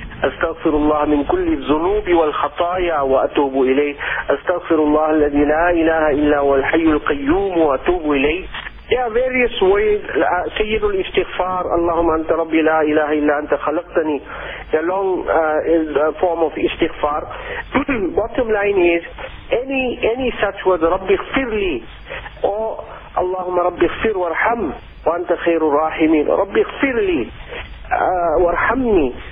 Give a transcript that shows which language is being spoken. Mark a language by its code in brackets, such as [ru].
[ar] أستغفر الله من كل الذنوب والخطايا وأتوب إليه أستغفر الله الذي لا إله إلا هو الحي القيوم وأتوب إليه. [en] There are various ways. [ar] سيد الاستغفار اللهم أنت ربي لا إله إلا أنت خلقتني. [en] The long is a form of استغفار. Bottom line is any such word, [ar] ربي اغفر لي or اللهم ربي اغفر وارحم وأنت خير الراحمين ربي اغفر لي وارحمني.